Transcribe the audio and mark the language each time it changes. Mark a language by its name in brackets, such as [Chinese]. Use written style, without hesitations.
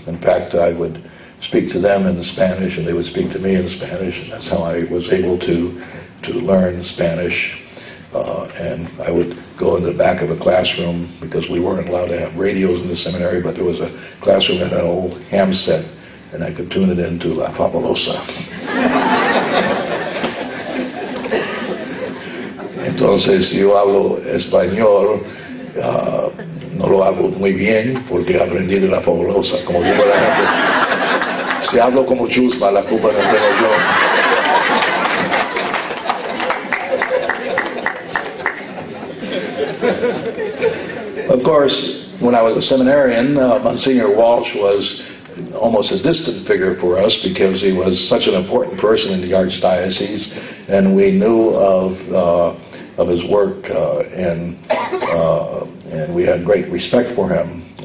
[English] In fact, I would speak to them in Spanish, and they would speak to me in Spanish, and that's how I was able to learn Spanish. And I would go in the back of a classroom, because we weren't allowed to have radios in the seminary, but there was a classroom that had an old ham set, and I could tune it into La Fabulosa. [Spanish] Entonces, yo hablo español, no lo hablo muy bien, porque aprendí de La Fabulosa, como digo la gente. Si hablo como chusma, la culpa no tengo yo. [English] Of course, when I was a seminarian, Monsignor Walsh was almost a distant figure for us because he was such an important person in the Archdiocese. and we knew of his work, and we had great respect for him.